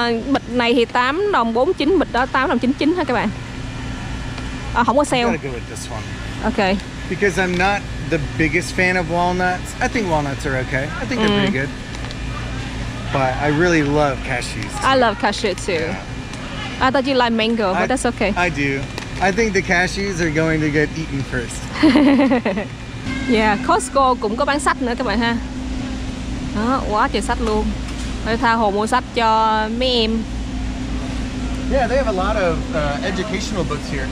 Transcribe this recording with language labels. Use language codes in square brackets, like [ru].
[vi] Bịch này thì 8.49 đồng, bịch đó 8.99 đồng ha các bạn. Không có sale. [en] I gotta go with this one. Okay. Because I'm not the biggest fan of walnuts. I think walnuts are okay. I think they're pretty good. But I really love cashews too. I love cashew too. Yeah. I thought you like mango, but that's okay. I do. I think the cashews are going to get eaten first. [vi] Yeah, Costco cũng có bán sách nữa các bạn ha. Đó, quá trời sách luôn. Để tha hồ mua sách cho mấy em. [en] Yeah, they have a lot of educational books here.